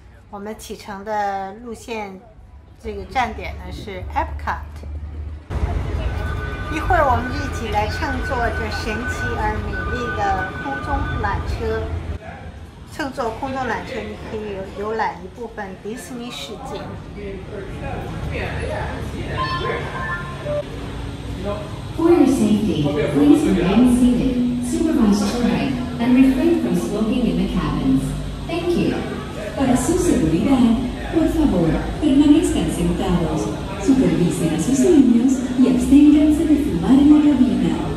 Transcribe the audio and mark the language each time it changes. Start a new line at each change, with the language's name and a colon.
Chinese: 我们启程的路线这个站点呢是 Epcot。一会儿我们一起来乘坐这神奇而美丽的空中缆车。乘坐空中缆车，你可以游览一部分迪士尼世界。
English: For your safety, please remain seated, supervise boarding, and refrain from smoking in the cabins. Thank you.
Spanish: Para su seguridad, por favor, permanezcan sentados, supervisen a sus niños y absténganse de fumar en la cabina.